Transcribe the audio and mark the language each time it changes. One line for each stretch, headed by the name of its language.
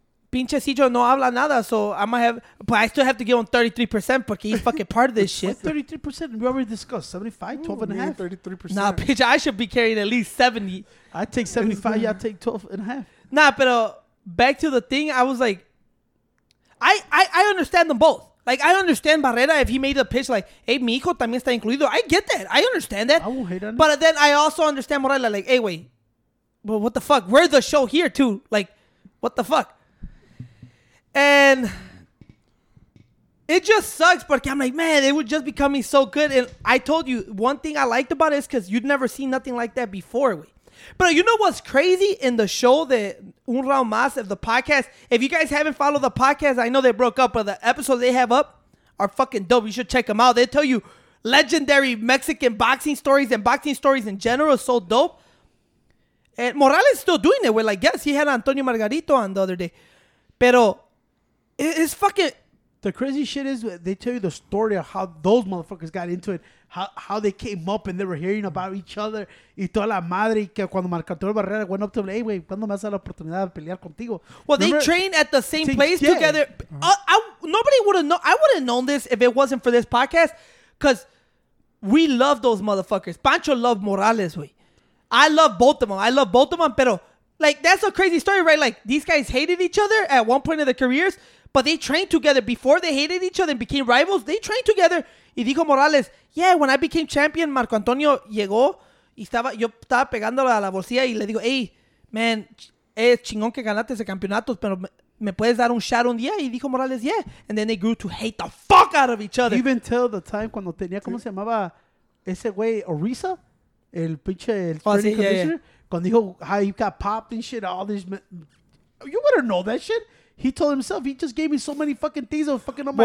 Spanish: Pinche Cicho no habla nada,
English: so I might have, but I still have to give him 33% because he's fucking part of this shit. 33%? We already discussed 75, 12 and a half. 33%. Nah, bitch, I should be carrying at least 70. I take 75, y'all take 12 and a half. Nah, but back to the thing, I was like, I understand them both. Like, I understand Barrera if he made a pitch like, hey,
Spanish: mi hijo también está incluido.
English: I get that. I understand that. I won't hate on it. But then I also understand Morella, like, hey, wait, but what the fuck? We're the show here, too. Like, what the fuck? And it just sucks because I'm like, man, it would just becoming so good. And I told you, one thing I liked about it is because you'd never seen nothing like that before. But you know what's crazy in the show that Un Round Mas of the podcast? If you guys haven't followed the podcast, I know they broke up, but the episodes they have up are fucking dope. You should check them out. They tell you legendary Mexican boxing stories in general. So dope. And Morales is still doing it with, like, guests. He had Antonio Margarito on the other day. Pero it's fucking... The crazy shit is they tell you the story of how those motherfuckers got into it, how they came up and they were hearing about each other.
Spanish: Y toda la madre que cuando Marco Antonio Barrera
English: went up to him,
Spanish: hey, wey, ¿cuándo me vas a dar la oportunidad de pelear contigo?
English: Well, remember, they trained at the same place together. Uh-huh. Nobody would have known. I would have known this if it wasn't for this podcast because we love those motherfuckers. Pancho loved Morales, wey. I love both of them. I love both of them, pero, like, that's a crazy story, right? Like, these guys hated each other at one point in their careers, but they trained together before they hated each other and became rivals. They trained together.
Spanish: Y dijo Morales,
English: yeah, when I became champion,
Spanish: Marco Antonio llegó y estaba, yo estaba pegándole a la bolsilla y le digo,
English: hey, man,
Spanish: es chingón que ganaste ese campeonato, pero me puedes dar un shot un día? Y dijo Morales, yeah.
English: And then they grew to hate the fuck out of each other. Even till the time
Spanish: cuando tenía, ¿cómo se llamaba ese güey, Orisa? El pinche, el
English: training conditioner. Yeah, yeah.
Spanish: Cuando dijo,
English: how he got popped and shit, all this. You better know that shit. He told himself, he just gave me so many fucking things of fucking on my